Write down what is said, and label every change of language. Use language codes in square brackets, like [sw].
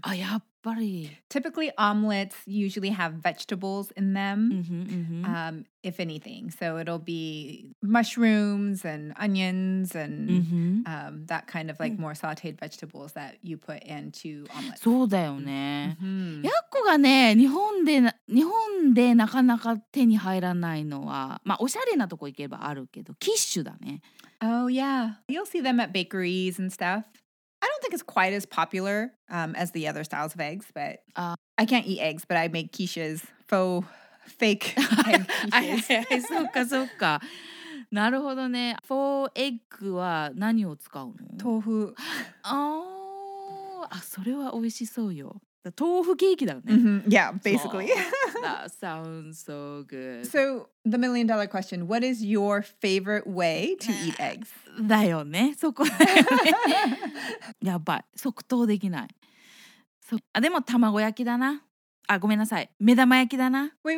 [ja] あ、やっぱ。 [en] Typically, omelets usually have vegetables in them, mm-hmm, mm-hmm. If anything. So it'll be mushrooms and onions and mm-hmm. That kind of like more sautéed vegetables that you put into omelets. [ja] そうだよね。ヤッコがね、日本でなかなか手に入らないのは、まあおしゃれなとこ行けばあるけど、キッシュだね。 [en] Oh yeah, you'll see them at bakeries and stuff. I don't think it's quite as popular as the other styles of eggs, but I can't eat eggs, but I make quiches, faux, fake egg quiches. [ja] そうかそうか。なるほどね。Faux egg は何を使うの？豆腐。 Oh, あ、それは美味しそうよ。豆腐ケーキだよね。 [en] Mm-hmm. Yeah, basically. That sounds so good. So, the million dollar question, what is your favorite way to eat eggs? [ja] だよね、そこだよね。やばい、即答できない。そう、あ、でも卵焼きだな。あ、ごめんなさい、目玉焼きだな。